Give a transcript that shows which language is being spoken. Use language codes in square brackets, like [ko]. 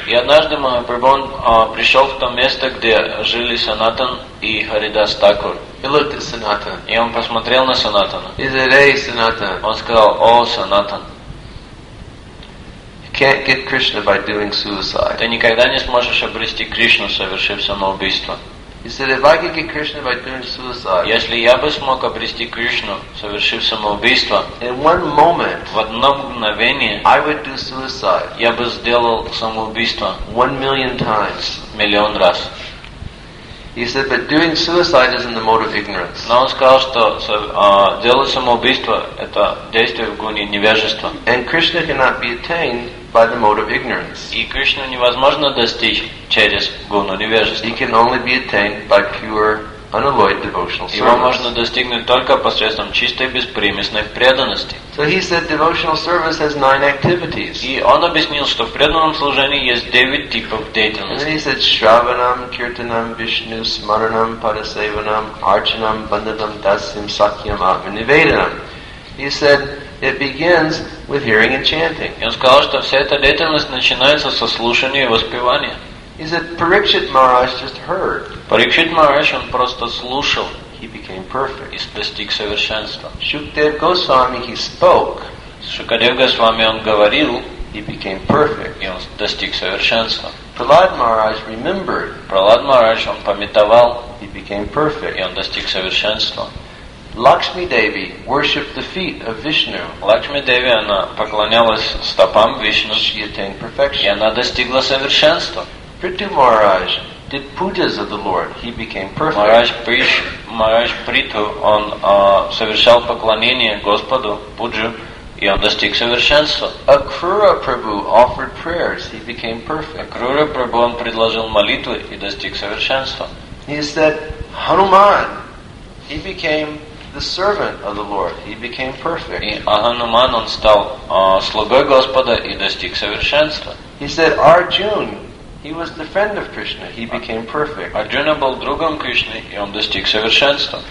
[ru] И однажды Махапрабху пришел в то место, где жили Санатан и Харидас Такур. [en] He looked at Sanatan. [ru] И он посмотрел на Санатана. [en] He said, "Hey, Sanatan." [ru] Он сказал, "О, Санатан." [en] You can't get Krishna by doing suicide. [ru] Ты никогда не сможешь обрести Кришну, совершив самоубийство. [en] He said, "If I could get Krishna by doing suicide." [ru] Если я бы смог обрести Кришну, совершив самоубийство, [en] in one moment, [ru] в одно мгновение, [en] I would do suicide. [ru] Я бы сделал самоубийство [en] 1,000,000 times. [ru] Миллион раз. [en] He said, "But doing suicide is in the mode of ignorance." [ru] Но он сказал, что делать самоубийство это действие в гуне невежества. [en] And Krishna cannot be attained by the mode of ignorance. [ru] И Кришну невозможно достичь через гуну невежества. [en] He can only be attained by pure unalloyed devotional service. [ru] Его можно достигнуть только посредством чистой беспримесной преданности. [en] So he said devotional service has 9 activities. [ru] И он объяснил, что в преданном служении есть 9 типов деятельности. [en] And then he said [sa] shravanam, kirtanam, vishnu, smaranam, parasevanam, archanam, bandhanam, dasyam, sakyam, avinivedanam. [en] He said it begins with hearing and chanting. [ru] И он сказал, что вся эта деятельность начинается со слушания и воспевания. [en] He said Parikshit Maharaj just heard. [ru] Parikshit Maharaj, он просто слушал. [en] He became perfect. [ru] И достиг совершенства. [en] Shukdev Goswami, he spoke. [ru] Shukadev Goswami, он говорил. [en] He became perfect. [ru] И он достиг совершенства. [en] Prahlad Maharaj remembered. [ru] Prahlad Maharaj, он памятовал. [en] He became perfect. [ru] И он достиг совершенства. [en] Lakshmi Devi worshipped the feet of Vishnu. [ru] Lakshmi Devi, она поклонялась стопам Вишну. [en] She attained perfection. [ru] И она достигла совершенства. [en] Prithu Maharaj did pujas of the Lord. He became perfect. [ru] Maharaj Prithu, он совершал поклонение Господу, пуджу, и он достиг совершенства. [en] Akrura Prabhu offered prayers. He became perfect. [ru] Akrura Prabhu, он предложил молитвы и достиг совершенства. [en] He said, Hanuman, he became the servant of the Lord. He became perfect. [ru] И Ахануман, он стал слугой Господа и достиг совершенства. [en] He said, Arjun, he was the friend of Krishna. He became perfect. [ru] Arjuna был другом Кришны, и он достиг совершенства.